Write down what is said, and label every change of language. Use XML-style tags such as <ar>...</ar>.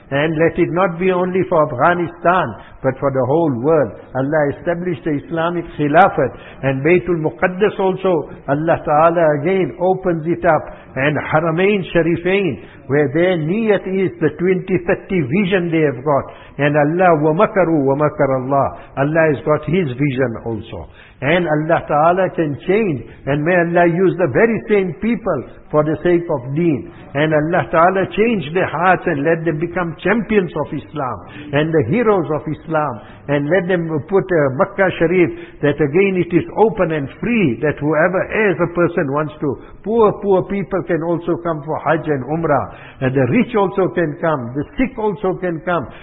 <en>And let it not be only for Afghanistan, but for the whole world. Allah established the Islamic Khilafat. And Baytul Muqaddas also, Allah Ta'ala again opens it up. And Haramain Sharifain, where their niyat is the 2030 vision they have got. And Allah,</en> <ar>وَمَكَرُوا وَمَكَرَ اللَّهُ.</ar> <en>Allah has got His vision also. And Allah Ta'ala can change. And may Allah use the very same people for the sake of deen. And Allah Ta'ala change their hearts and let them become champions of Islam and the heroes of Islam. And let them put a Makkah Sharif that again it is open and free, that whoever as a person wants to, poor people can also come for Hajj and Umrah, and the rich also can come, the sick also can come.</en>